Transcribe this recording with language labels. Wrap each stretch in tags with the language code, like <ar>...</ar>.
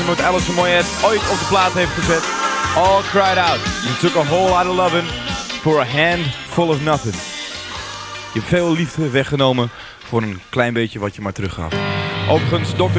<nl>Alison Moyet ooit op de plaat heeft gezet.</nl> <en>All cried out. You took a whole lot of loving for a hand full of nothing.</en> <nl>Je hebt veel liefde weggenomen voor een klein beetje wat je maar teruggaf. Overigens, Dr.</nl>